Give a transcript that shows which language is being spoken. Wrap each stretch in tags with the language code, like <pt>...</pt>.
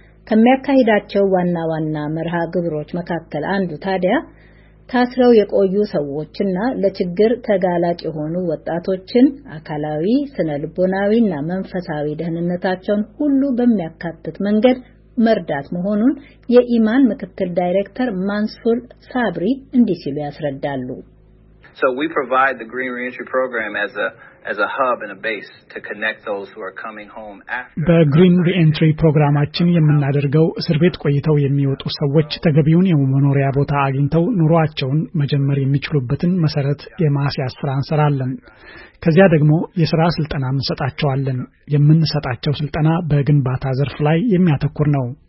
<am>ከሚያካሂዳቸው ዋና ዋና መርሃ ግብሮች መካከል አንዱ ታዲያ ታስረው የቆዩ ሰዎችና ለችግር ተጋላጭ የሆኑ ወጣቶችን አካላዊ፣ ስነ ልቦናዊና መንፈሳዊ ደህንነታቸውን ሁሉ በሚያካትት መንገድ መርዳት መሆኑን የኢማን ምክትል ዳይሬክተር ማንሱር ሳብሪ እንዲህ ሲሉ ያስረዳሉ።</am> <en>So we provide the green reentry program as a hub and a base to connect those who are coming home after.</en> <am>በግሪን ሪኤንትሪ ፕሮግራማችን የምናደርገው እስር ቤት ቆይተው የሚወጡ ሰዎች ተገቢውን የመኖሪያ ቦታ አግኝተው ኑሯቸውን መጀመር የሚችሉበትን መሰረት የማስያዝ ስራ እንሰራለን። ከዚያ ደግሞ የሥራ ስልጠና እንሰጣቸዋለን። የምንሰጣቸው ስልጠና በግንባታ ዘርፍ ላይ የሚያተኩር ነው።</am>